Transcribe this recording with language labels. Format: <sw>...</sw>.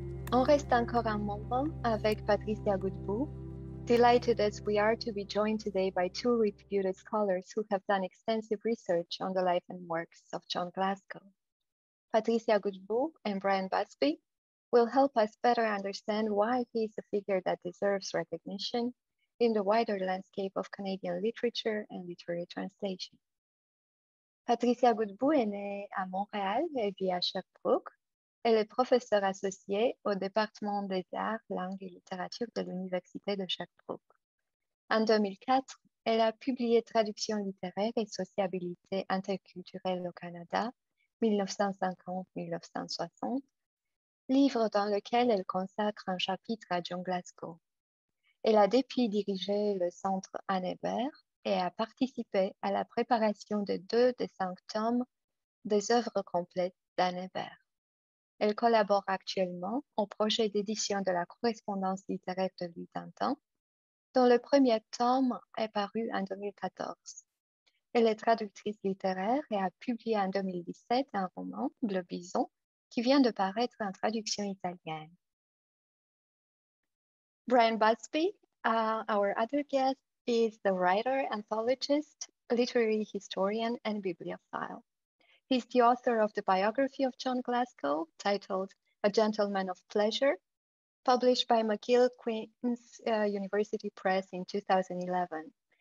<fr>On reste encore un moment avec Patricia Godbout.</fr> <en>Delighted as we are to be joined today by two reputed scholars who have done extensive research on the life and works of John Glassco. Patricia Godbout and Brian Busby will help us better understand why he is a figure that deserves recognition in the wider landscape of Canadian literature and literary translation.</en> <fr>Patricia Godbout est née à Montréal et vit à Sherbrooke. Elle est professeure associée au Département des arts, langues et littératures de l'Université de Sherbrooke. En 2004, elle a publié Traduction littéraire et sociabilité interculturelle au Canada, 1950-1960, livre dans lequel elle consacre un chapitre à John Glassco. Elle a depuis dirigé le centre Anne-Hébert et a participé à la préparation de deux des cinq tomes des œuvres complètes d'Anne-Hébert. Elle collabore actuellement au projet d'édition de la correspondance littéraire de Louis Dantin, dont le premier tome est paru en 2014. Elle est traductrice littéraire et a publié en 2017 un roman, Le Bison, qui vient de paraître en traduction italienne.</fr> <en>Brian Busby, our other guest, is the writer, anthologist, literary historian, and bibliophile. He's the author of the biography of John Glassco, titled A Gentleman of Pleasure, published by McGill Queen's University Press in 2011.</en>